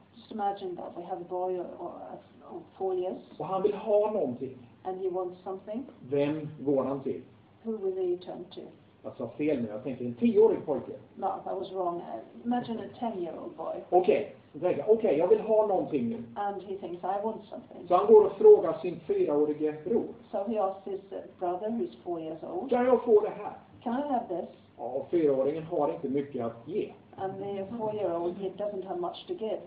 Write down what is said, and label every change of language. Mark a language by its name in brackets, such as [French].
[English] Just imagine that we have a boy of 4 years. [Swedish] Och han vill ha någonting. [English] And he wants something. [Swedish] Vem går han till? [English] Who will he turn to? [Swedish] Jag sa fel nu. Jag tänkte en 10-årig pojke. [English] No, that was wrong. Imagine a 10-year-old boy. [Swedish] Okej, jag vill ha någonting nu. [English] And he thinks I want something. [Swedish] Så han går och frågar sin 4-årige bror. [English] So he asks his brother who's 4 years old. [Swedish] Kan jag få det här? [English] Can I have this? [Swedish] Och 4-åringen har inte mycket att ge. [English] And the 4-year-old, he doesn't have much to give.